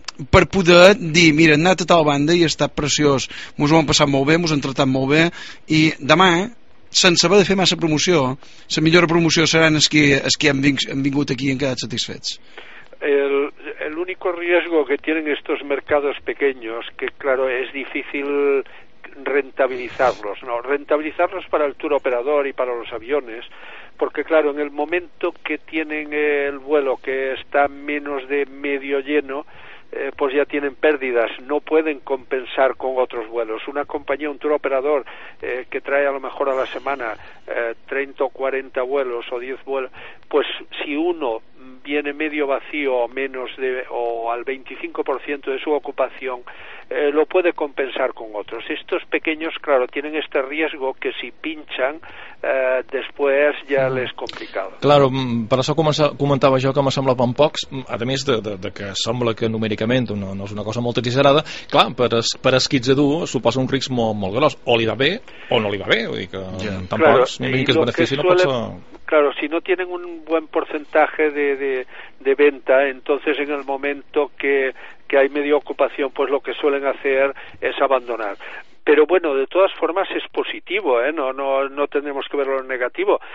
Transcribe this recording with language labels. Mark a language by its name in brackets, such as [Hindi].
[Catalan] per poder dir, mira, hem anat a tal banda i ha estat preciós, ens ho hem passat molt bé, ens hem tratat molt bé, i demà, sense haver de fer massa promoció, la millor promoció seran els que han vingut aquí i han quedat satisfets. [Spanish] El único riesgo que tienen estos mercados pequeños, que claro, es difícil... rentabilizarlos, ¿no? Rentabilizarlos para el tour operador y para los aviones, porque claro, en el momento que tienen el vuelo que está menos de medio lleno, pues ya tienen pérdidas, no pueden compensar con otros vuelos. Una compañía, un tour operador que trae a lo mejor a la semana 30 o 40 vuelos o 10 vuelos, pues si uno viene medio vacío o menos de o al 25% de su ocupación, lo puede compensar con otros. Estos pequeños, claro, tienen este riesgo que si pinchan, después ya les es complicado. [Catalan] Claro, per això comentava jo que m'assembla tan pocs, a més de que sembla que numèricament no és una cosa molt exagerada, clar, per esquitzador suposa un risc molt gros, o li va bé o no li va bé, vull dir que yeah. Tan pocs, claro, ni que es beneficia, no pot ser... [Spanish] Claro, si no tienen un buen porcentaje de venta, entonces en el momento que hay media ocupación, pues lo que suelen hacer es abandonar. Pero bueno, de todas formas es positivo, ¿eh? No tendremos que verlo en negativo.